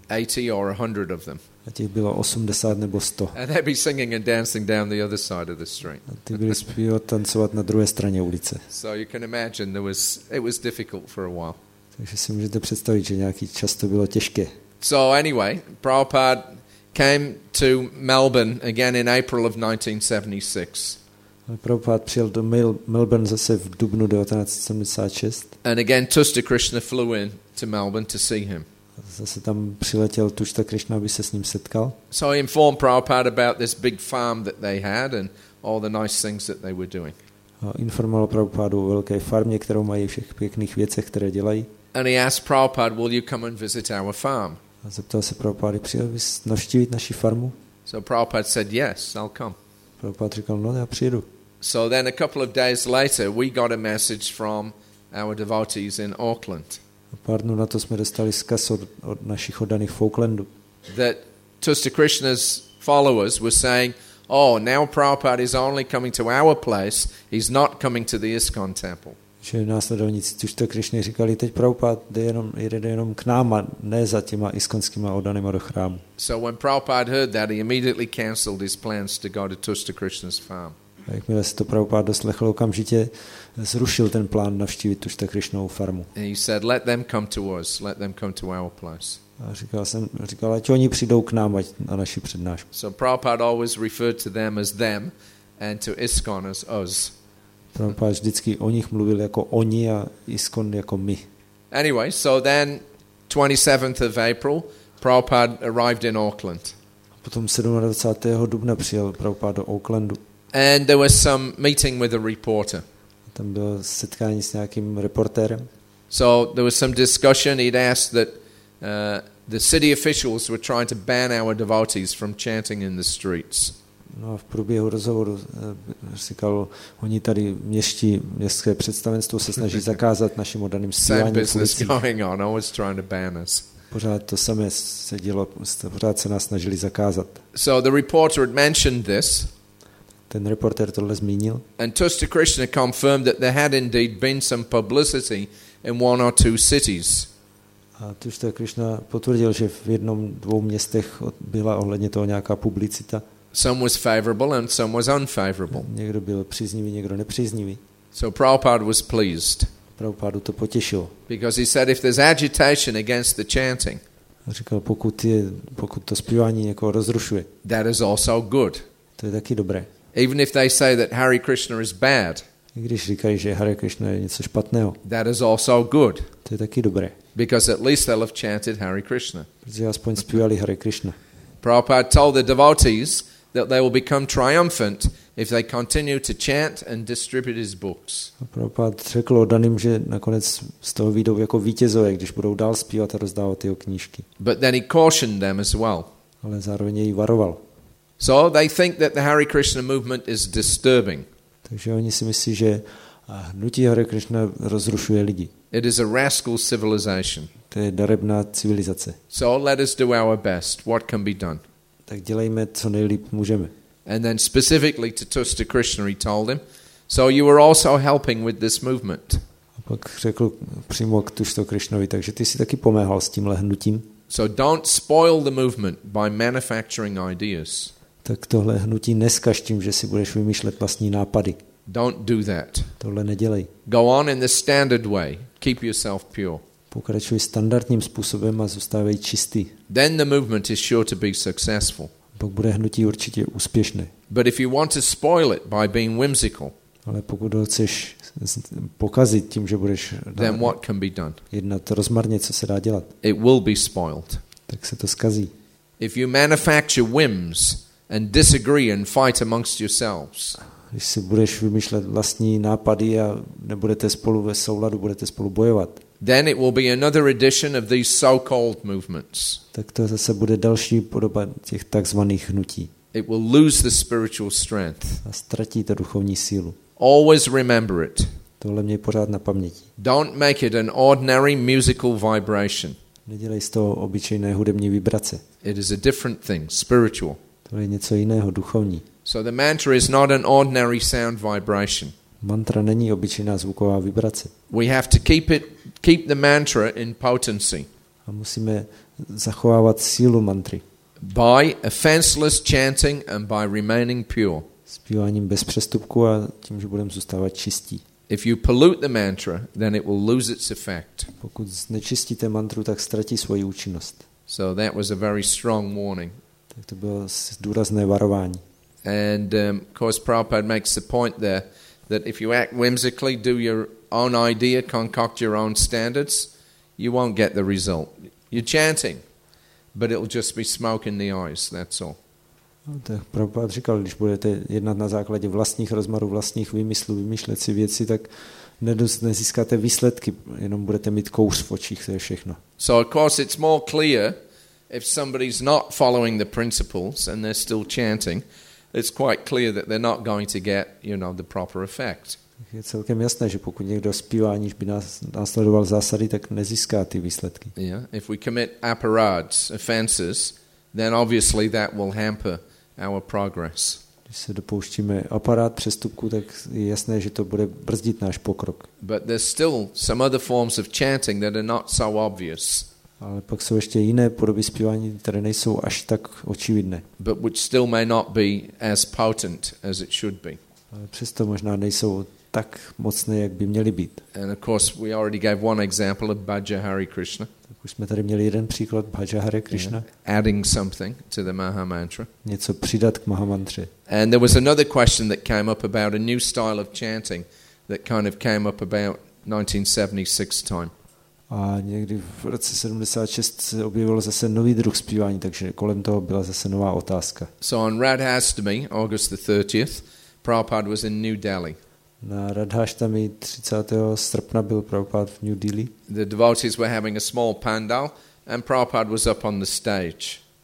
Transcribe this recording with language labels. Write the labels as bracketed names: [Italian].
[English] 80 or 100 of them. [Czech] A těch bylo 80 nebo 100. [English] And they'd be singing and dancing down the other side of the street. [Czech] A ty byli zpívat, tancovat na druhé straně ulice. [English] So you can imagine it was difficult for a while. [Czech] Takže si můžete představit, že nějaký čas to bylo těžké. [English] So anyway, Prabhupada came to Melbourne again in April of 1976. [Czech] Ale Prabhupád přijel do Melbourne zase v dubnu 1976. [English] And again Tushar Krishna flew in to Melbourne to see him. [Czech] Zase tam přiletěl Tushar Krishna, aby se s ním setkal. [English] So he informed Prabhupád about this big farm that they had and all the nice things that they were doing. [Czech] A informoval Prabhupádu o velké farmě, kterou mají, všech pěkných věcech, které dělají. [English] And he asked Prabhupád, will you come and visit our farm? [Czech] A zeptal se Prabhupády, přijel bys navštívit naši farmu? [English] So Prabhupád said, yes, I'll come. [Czech] Říkal, no, já přijedu. [English] So then a couple of days later we got a message from our devotees in Auckland. [Czech] Pár dnů na to jsme dostali zkaz od našich oddaných v Aucklandu. [English] That Tushar Krishna's followers were saying, "Oh, now Prabhupada is only coming to our place. He's not coming to the ISKCON temple." [Czech] Že následovníci Tushar Krishna říkali, teď Prabhupada jde jenom k nám a ne za těma iskonskýma oddanýma do chrámu. [English] So when Prabhupada heard that, he immediately cancelled his plans to go to Tushar Krishna's farm. [Czech] A jakmile se to Prabhupada doslechl, okamžitě zrušil ten plán navštívit Tushar Krishnovu farmu. [English] And he said, let them come to us, let them come to our place. [Czech] A říkal, ať oni přijdou k nám, ať na naši přednášku. [English] So Prabhupada always referred to them as them and to ISKCON as us. [Czech] Prabhupád vždycky o nich mluvil jako oni a ISKCON jako my. [English] Anyway, so then 27th of April, Prabhupád arrived in Auckland. [Czech] Potom 27. dubna přijel Prabhupád do Aucklandu. [English] And there was some meeting with a reporter. [Czech] Tam bylo setkání s nějakým reportérem. [English] So there was some discussion. He'd asked that the city officials were trying to ban our devotees from chanting in the streets. [Czech] No a v průběhu rozhovoru říkal, oni tady městští městské představenstvo se snaží zakázat našim oddaným zpívání. Pořád to samé se dělo, pořád se nás snažili zakázat. [English] So the reporter had mentioned this. [Czech] Ten reportér tohle zmínil. [English] And Tushar Krishna confirmed that there had indeed been some publicity in one or two cities. [Czech] A Tushar Krishna potvrdil, že v jednom dvou městech byla ohledně toho nějaká publicita. [English] Some was favorable and some was unfavorable. [Czech] Někdo byl příznivý, někdo nepříznivý. [English] So Prabhupada was pleased. [Czech] Prabhupádu to potěšilo. [English] Because he said if there's agitation against the chanting. [Czech] Říkal, pokud to zpívání někoho rozrušuje. [English] That is also good. [Czech] To je taky dobré. [English] Even if they say that Hare Krishna is bad. [Czech] I když říkají, že Hare Krishna je něco špatného. [English] That is also good. [Czech] To je taky dobré. [English] Because at least they'll have chanted Hare Krishna. [Czech] Protože aspoň zpívali Hare Krishna. [English] Prabhupada told the devotees that they will become triumphant if they continue to chant and distribute his books. [Czech] Prabhupada řekl oddaným, že nakonec z toho vyjdou jako vítězové, když budou dál zpívat a rozdávat jeho knížky. [English] But then he cautioned them as well. [Czech] Ale zároveň jej varoval. [English] So they think that the Hare Krishna movement is disturbing. [Czech] Takže oni si myslí, že A hnutí Hare Krishna rozrušuje lidi. [English] It is a rascal civilization. [Czech] To je darebná civilizace. [English] So let us do our best. What can be done? [Czech] Tak dělejme, co nejlíp můžeme. [English] And then specifically to Tushta Krishna, he told him, so you were also helping with this movement. [Czech] A pak řekl přímo k Tushta Krishnovi, takže ty si taky pomáhal s tímhle hnutím. [English] So don't spoil the movement by manufacturing ideas. [Czech] Tak tohle hnutí neskaž tím, že si budeš vymýšlet vlastní nápady. [English] Don't do that. [Czech] Tohle nedělej. [English] Go on in the standard way. Keep yourself pure. [Czech] Pokračuj standardním způsobem a zůstávej čistý. [English] Then the movement is sure to be successful. [Czech] Pak bude hnutí určitě úspěšné. [English] But if you want to spoil it by being whimsical. [Czech] Ale pokud ho chceš pokazit tím, že budeš [English] then what can be done? [Czech] Jednat rozmarně, co se dá dělat. [English] It will be spoiled. [Czech] Tak se to zkazí. [English] If you manufacture whims and disagree and fight amongst yourselves. [Czech] Když si budeš vymýšlet vlastní nápady a nebudete spolu ve souladu, budete spolu bojovat. [English] Then it will be another edition of these so-called movements. [Czech] Tak to zase bude další podoba těch takzvaných hnutí. [English] It will lose the spiritual strength. [Czech] A ztratí to duchovní sílu. [English] Always remember it. [Czech] Tohle měj pořád na paměti. [English] Don't make it an ordinary musical vibration. [Czech] Nedělej z toho obyčejné hudební vibrace. [English] It is a different thing, spiritual. [Czech] To je něco jiného, duchovní. [English] So the mantra is not an ordinary sound vibration. [Czech] Mantra není obyčejná zvuková vibrace. [English] We have to keep the mantra in potency. [Czech] A musíme zachovávat sílu mantry. [English] By offenseless chanting and by remaining pure. [Czech] Zpíváním bez přestupku a tím, že budeme zůstávat čistí. [English] If you pollute the mantra, then it will lose its effect. [Czech] Pokud znečistíte mantru, tak ztratí svoji účinnost. [English] So that was a very strong warning. [Czech] Tak to bylo důrazné varování. [English] And of course Prabhupada makes the point there that if you act whimsically, do your own idea, concoct your own standards, you won't get the result. You're chanting, but it'll just be smoke in the eyes, that's all. [Czech] No, tak Prabhupada říkal, když budete jednat na základě vlastních rozmarů, vlastních výmyslů, vymýšlet si věci, tak nezískáte výsledky, jenom budete mít kouř v očích, to je všechno. [English] So of course it's more clear if somebody's not following the principles and they're still chanting, it's quite clear that they're not going to get, you know, the proper effect. [Czech] Je celkem jasné, že pokud někdo zpívá, aniž by následoval zásady, tak nezíská ty výsledky. [English] Yeah, if we commit aparads, offenses, then obviously that will hamper our progress. [Czech] Když se dopouštíme aparát přestupku, tak je jasné, že to bude brzdit náš pokrok. [English] But there's still some other forms of chanting that are not so obvious. [Czech] Ale pak jsou ještě jiné podoby zpívání, které nejsou až tak očividné. [English] But which still may not be as potent as it should be. [Czech] Ale přesto možná nejsou tak mocné, jak by měly být. [English] And of course we already gave one example of Bhaja Hare Krishna. [Czech] Tak už jsme tady měli jeden příklad Bhaja Hare Krishna. [English] Yeah. Adding something to the Maha Mantra. [Czech] Něco přidat k Maha Mantře. [English] And there was another question that came up about a new style of chanting that kind of came up about 1976 time. [Czech] A někdy v roce 76 se objevilo zase nový druh zpívání, takže kolem toho byla zase nová otázka. [English] So on Radhashtami, August the 30th, Prabhupada was in New Delhi. [Czech] Na Radhashtami 30. srpna byl Prabhupada v New Delhi. [English] The devotees were having a small pandal and Prabhupada was up on the stage.